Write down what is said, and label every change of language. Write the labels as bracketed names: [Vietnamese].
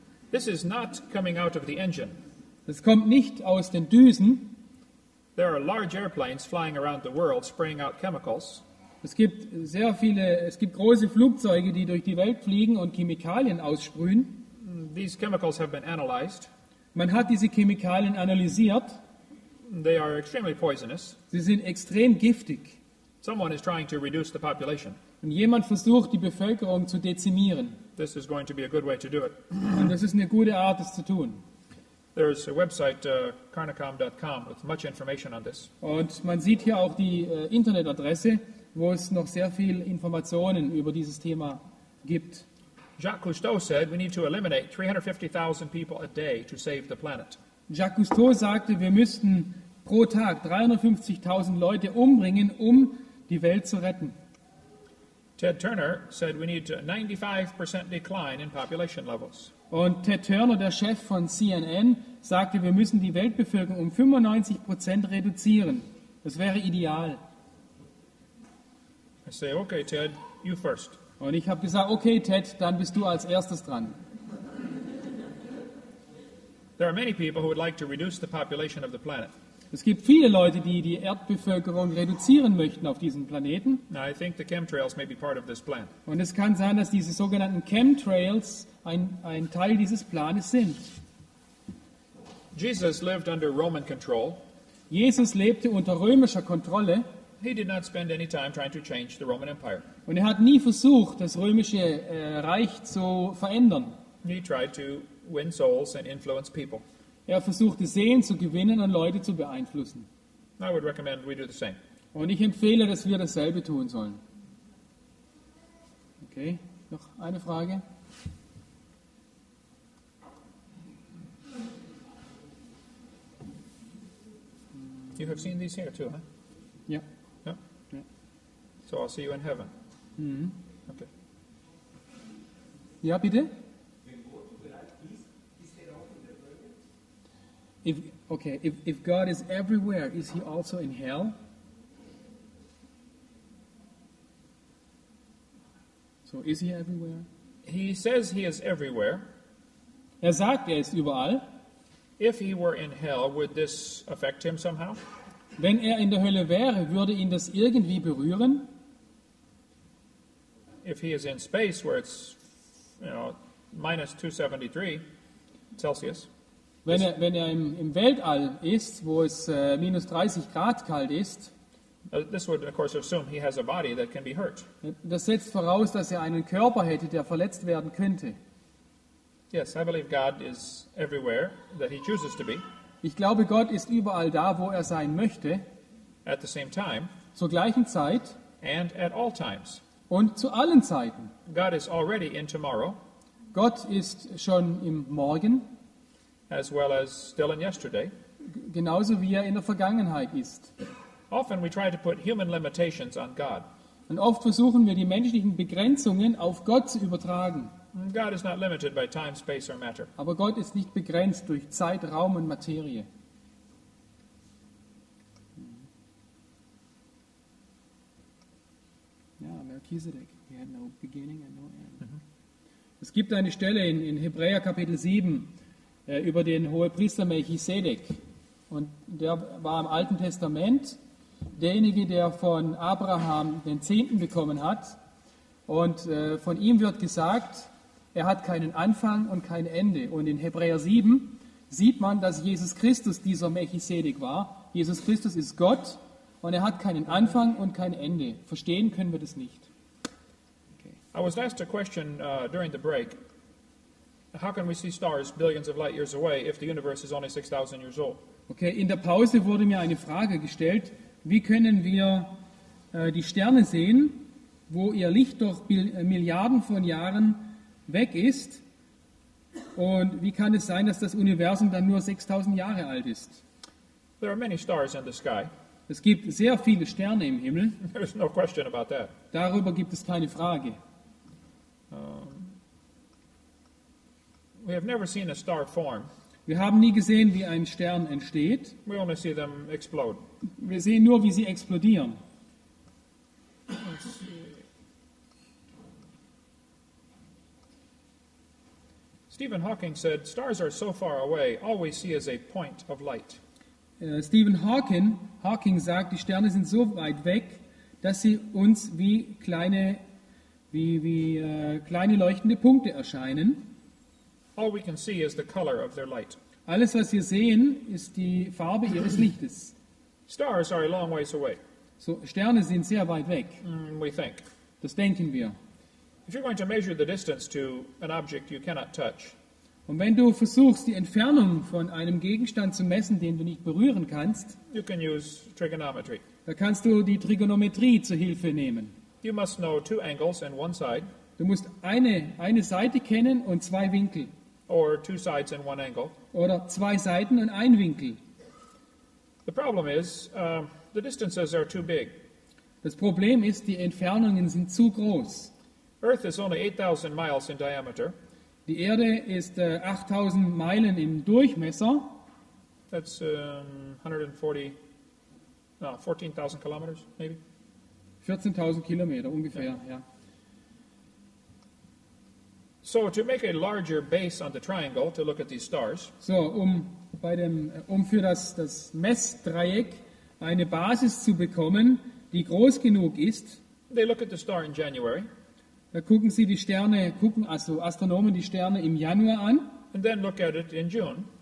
[English] This is not coming out of the engine. [German] Es kommt nicht aus den Düsen. [English] There are large airplanes flying around the world spraying out chemicals. [German] Es gibt große Flugzeuge, die durch die Welt fliegen und Chemikalien aussprühen. [English] These chemicals have been analyzed. [German] Man hat diese Chemikalien analysiert. [English] They are extremely poisonous. [German] Sie sind extrem giftig. [English] Someone is trying to reduce the population. [German] Und jemand versucht, die Bevölkerung zu dezimieren. [English] This is going to be a good way to do it. [German] Und das ist eine gute Art, es zu tun. [English] There is a website, karnacom.com, with much information on this. [German] Und man sieht hier auch die Internetadresse, wo es noch sehr viel Informationen über dieses Thema gibt. [English] Jacques Cousteau said, we need to eliminate 350,000 people a day to save the planet. [German] Jacques Cousteau sagte, wir müssten pro Tag 350.000 Leute umbringen, um die Welt zu retten. [English] Ted Turner said we need a 95% decline in population levels. [German] Und Ted Turner, der Chef von CNN, sagte, wir müssen die Weltbevölkerung um 95% reduzieren. Das wäre ideal. [English] I say, okay, Ted, you first. [German] Und ich habe gesagt, okay, Ted, dann bist du als erstes dran. [English] There are many people who would like to reduce the population of the planet. [German] Es gibt viele Leute, die die Erdbevölkerung reduzieren möchten auf diesem Planeten. [English] Now I think the chemtrails may be part of this plan. [German] Und es kann sein, dass diese sogenannten Chemtrails ein Teil dieses Planes sind. [English] Jesus lived under Roman control. [German] Jesus lebte unter römischer Kontrolle. [English] He did not spend any time trying to change the Roman Empire. [German] Und er hat nie versucht, das römische Reich zu verändern. [English] He tried to win souls and influence people. [German] Er versuchte Seelen zu gewinnen und Leute zu beeinflussen. [English] I would recommend we do the same. [German] Und ich empfehle, dass wir dasselbe tun sollen. Okay, noch eine Frage? [English] You have seen these here too, huh? [German] Ja. Ja? Ja. [English] So I'll see you in heaven. Mm-hmm. Okay. [German] Ja, bitte? [English] If God is everywhere, is he also in hell? So is he everywhere? He says he is everywhere. [German] Sagt, er ist überall. [English] If he were in hell, would this affect him somehow? [German] Wenn er in der Hölle wäre, würde ihn das irgendwie berühren? [English] If he is in space where it's, you know, minus 273 Celsius. [German] Wenn er im Weltall ist, wo es minus 30 Grad kalt ist. [English] This would of course assume he has a body that can be hurt. [German] Das setzt voraus, dass er einen Körper hätte, der verletzt werden könnte. [English] Yes, I believe God is everywhere that he chooses to be. [German] Ich glaube, Gott ist überall da, wo er sein möchte. [English] At the same time. [German] Zur gleichen Zeit. [English] And at all times. [German] Und zu allen Zeiten. [English] God is already in tomorrow. [German] Gott ist schon im Morgen. [English] As well as still in yesterday. [German] Genauso wie er in der Vergangenheit ist. [English] Often we try to put human limitations on God. [German] Und oft versuchen wir, die menschlichen Begrenzungen auf Gott zu übertragen. [English] God is not limited by time, space or matter. [German] Aber Gott ist nicht begrenzt durch Zeit, Raum und Materie. Ja, Melchizedek. [English] He had no beginning and no end. [German] Es gibt eine Stelle in Hebräer Kapitel 7 über den Hohepriester Melchizedek. Und der war im Alten Testament derjenige, der von Abraham den Zehnten bekommen hat. Und von ihm wird gesagt, er hat keinen Anfang und kein Ende. Und in Hebräer 7 sieht man, dass Jesus Christus dieser Melchizedek war. Jesus Christus ist Gott und er hat keinen Anfang und kein Ende. Verstehen können wir das nicht. [English] Okay. I was asked a question during the break. How can we see stars billions of light years away if the universe is only 6,000 years old? [German] Okay, in der Pause wurde mir eine Frage gestellt. Wie können wir die Sterne sehen, wo ihr Licht doch Milliarden von Jahren weg ist, und wie kann es sein, dass das Universum dann nur 6000 Jahre alt ist? [English] There are many stars in the sky. [German] Es gibt sehr viele Sterne im Himmel. [English] There's no question about that. [German] Darüber gibt es keine Frage. [English] We have never seen a star form. [German] Wir haben nie gesehen, wie ein Stern entsteht. [English] We only see them explode. [German] Wir sehen nur, wie sie explodieren. [English] Stephen Hawking said, "Stars are so far away. All we see is a point of light." [German] Stephen Hawking sagt, die Sterne sind so weit weg, dass sie uns wie kleine leuchtende Punkte erscheinen. [English] All we can see is the color of their light. [German] Alles, was wir sehen, ist die Farbe ihres Lichtes. [English] Stars are a long ways away. [German] So Sterne sind sehr weit weg. [English] We think. [German] Das denken wir. [English] If you're going to measure the distance to an object you cannot touch. [German] Und wenn du versuchst, die Entfernung von einem Gegenstand zu messen, den du nicht berühren kannst, [English] you can use trigonometry. [German] Da kannst du die Trigonometrie zu Hilfe nehmen. [English] You must know two angles and one side. [German] Du musst eine Seite kennen und zwei Winkel. [English] Or two sides and one angle. [German] Oder zwei Seiten und ein Winkel. [English] The problem is, the distances are too big. [German] Das Problem ist, die Entfernungen sind zu groß. [English] Earth is only 8,000 miles in diameter. [German] Die Erde ist 8,000 Meilen im Durchmesser. [English] That's 14,000 kilometers, maybe. [German] 14,000 Kilometer ungefähr, yeah. Ja. [English] So to make a larger base on the triangle to look at these stars. [German] So für das Messdreieck eine Basis zu bekommen, die groß genug ist. [English] They look at the star in January. [German] Da gucken Sie die Sterne, gucken also Astronomen die Sterne im Januar an. [English] And then look at it in June.